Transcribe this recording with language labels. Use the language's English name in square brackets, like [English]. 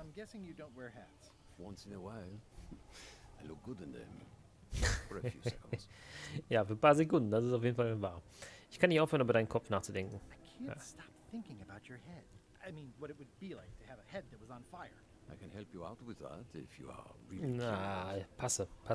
[English] I'm guessing you don't wear hats. Once in a while, I look good in them. For a few seconds. [German] Ja, für ein paar Sekunden, das ist auf jeden Fall wahr. Ich kann nicht aufhören, über deinen Kopf nachzudenken. [English] I can't stop thinking about your head. I mean, what it would be like to have a head that was on fire. I can help you out with that if you are really curious. [German] Na, passe.